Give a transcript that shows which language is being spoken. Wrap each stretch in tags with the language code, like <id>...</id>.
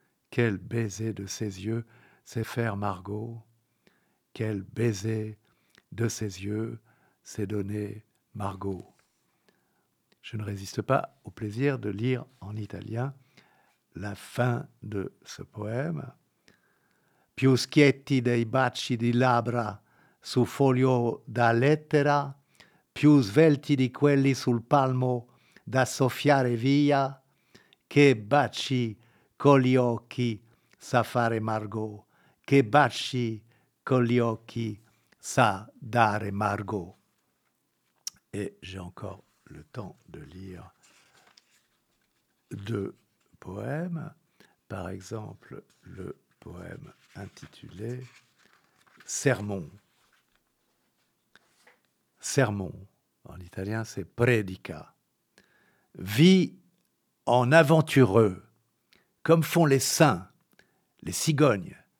<fr>Quel baiser de ses yeux sait faire Margot. Quel baiser de ses yeux sait donner Margot. Je ne résiste pas au plaisir de lire en italien la fin de ce poème.</fr> <it>Più schietti dei baci di labbra su foglio da lettera, più svelti di quelli sul palmo da soffiare via, che baci con gli occhi sa fare Margot, che baci con gli occhi sa dare Margot.</it> <fr>Et j'ai encore le temps de lire deux poèmes, par exemple le poème intitulé Sermon. Sermon, en italien, c'est prédica. Vis en aventureux, comme font les saints, les cigognes.</fr>